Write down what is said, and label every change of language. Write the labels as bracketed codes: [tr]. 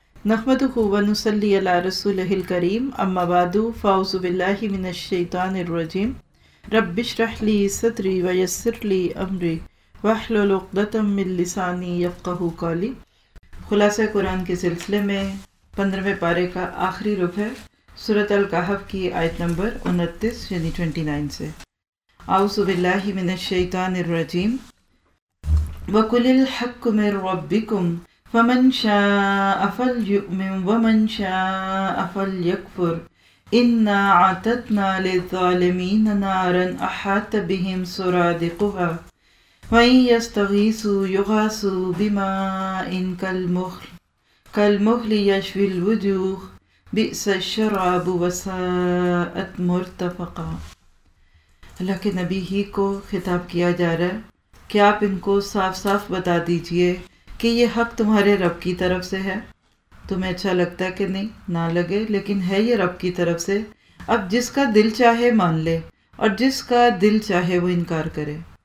[ar] نحمده ونصلي على رسوله الكريم اما بعد فاعوذ بالله من الشيطان الرجيم رب اشرح لي صدري ويسر لي امري واحلل عقدة من لساني يفقهوا قولي. [ur] خلاصہ قرآن کے سلسلے میں 15ویں پارے کا آخری رخ ہے سورۃ الکہف کی آیت نمبر 29 یعنی 29 سے. [ar] اعوذ بالله من الشيطان الرجيم وقل الحق من ربكم فمن شاء فليؤمن ومن شاء فليكفر إنا أعتدنا للظالمين نارا أحاط بهم سرادقها وإن يستغيثوا يغاثوا بماء كالمهل يشوي الوجوه بئس الشراب وساءت مرتفقا. [ur] اللہ کے نبی ہی کو خطاب کیا جا رہا ہے کہ آپ ان کو صاف صاف بتا دیجئے کہ یہ حق تمہارے رب کی طرف سے ہے. تمہیں اچھا لگتا ہے کہ نہیں, نہ لگے, لیکن ہے یہ رب کی طرف سے. اب جس کا دل چاہے مان لے اور جس کا دل چاہے وہ انکار کرے.